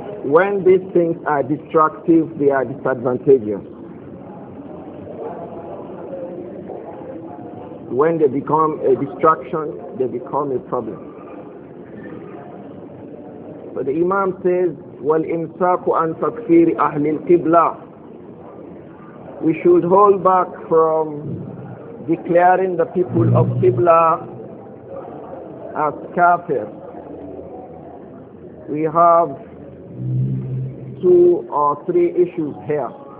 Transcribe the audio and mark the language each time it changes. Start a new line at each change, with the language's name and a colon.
English: When these things are destructive, they are disadvantageous. when they become a distraction, they become a problem. But the Imam says,
Arabic: وَالْإِمْسَاكُ عَنْ تَكْفِيرِ أَهْلِ الْقِبْلَةِ.
English: We should hold back from declaring the people of Qibla as kafir. We have two or three issues here.